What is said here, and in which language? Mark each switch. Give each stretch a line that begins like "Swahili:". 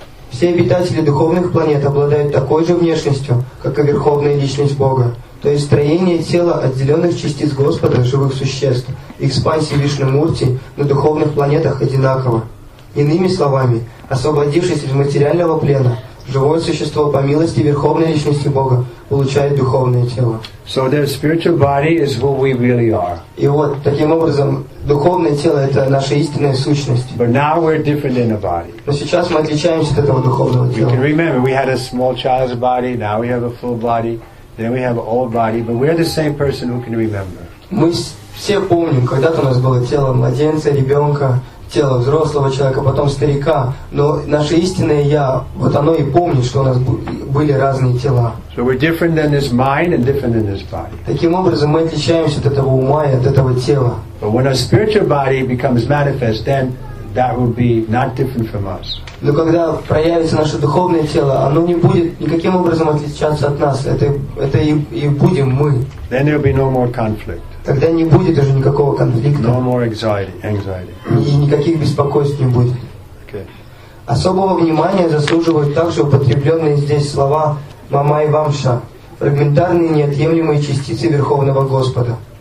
Russian: Все обитатели духовных планет обладают такой же внешностью, как и Верховная Личность Бога, то есть строение тела отделенных частиц Господа, живых существ, экспансии Вишну Мурти на духовных планетах одинаково. Иными словами, освободившись из материального плена, живое существо по милости Верховной Личности Бога получает духовное тело.
English: So the spiritual body is who we really are.
Russian: И вот, таким образом, духовное тело – это наша истинная сущность.
English: But now we're different than the body.
Russian: Но сейчас мы отличаемся от этого духовного тела.
English: You can remember, we had a small child's body, now we have a full body, then we have an old body, but we're the same person who can remember.
Russian: Мы все помним, когда-то у нас было тело младенца, ребенка, тело взрослого человека, потом старика, но наше истинное «я», вот оно и помнит, что у нас были разные тела.
English: So we're different than this mind and different than this body.
Russian: Таким образом, мы отличаемся от этого ума и от этого тела.
English: But when our spiritual body becomes manifest, then that will be not different from us.
Russian: Но когда проявится наше духовное тело, оно не будет никаким образом отличаться от нас, это и будем мы.
English: Then there will be no more conflict.
Russian: Тогда не будет уже никакого конфликта.
English: No more anxiety.
Russian: И никаких беспокойств не будет.
English: Okay.
Russian: Особого внимания заслуживают также употребленные здесь слова «мамай вамша» — фрагментарные неотъемлемые частицы Верховного Господа.